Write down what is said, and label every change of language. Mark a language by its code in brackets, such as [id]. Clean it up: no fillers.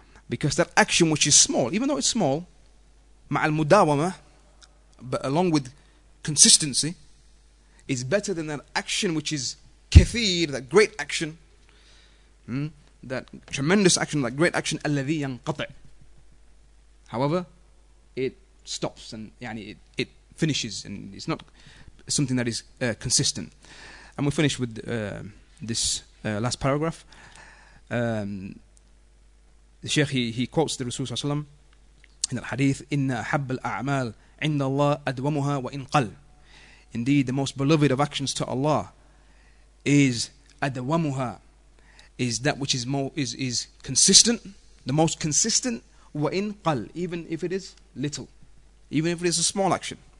[en] Because that action which is small, even though it's small, [ar] مع المداومة, [en] but along with consistency, is better than that action which is [ar] كثير, [en] that great action. That tremendous action, that great action, [ar] الذي ينقطع. [en] However, it stops and [ar] يعني [en] it finishes, and it's not something that is consistent. And we finish with this last paragraph. The Shaykh, he quotes the Rasulullah [ar] صلى الله عليه وسلم [en] in the hadith, [ar] إن أحب الأعمال عند الله أدومها وإن قل. [en] Indeed, the most beloved of actions to Allah is [ar] أدومها, [en] is that which is more, is consistent, the most consistent, [ar] وَإِنْ قَلْ, [en] even if it is little, even if it is a small action.